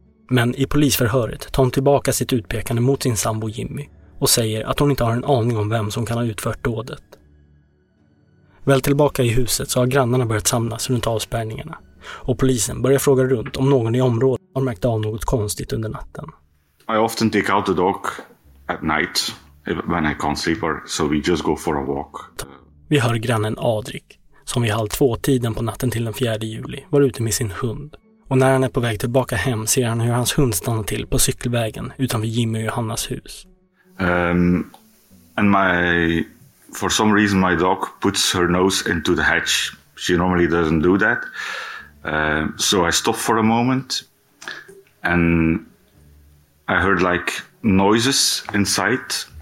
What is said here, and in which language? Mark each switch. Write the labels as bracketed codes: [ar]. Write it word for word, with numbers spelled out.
[sv] Men i polisförhöret tar hon tillbaka sitt utpekande mot sin sambo Jimmy och säger att hon inte har en aning om vem som kan ha utfört dådet. Väl tillbaka i huset så har grannarna börjat samlas runt avspärrningarna och polisen börjar fråga runt om någon i området har märkt av något konstigt under natten. [en] I often take out the dog at night when I can't sleep, or so we just go for a walk. [sv] Vi hör grannen Adrik som vid halv två tiden på natten till den fjärde juli var ute med sin hund. Och när han är på väg tillbaka hem ser han hur hans hund stannar till på cykelvägen utanför Jimmy och Johannas hus. [en] Um, and my, for some reason my dog puts her nose into the hedge. She normally doesn't do that. Uh, so I stop for a moment and I heard like noises inside.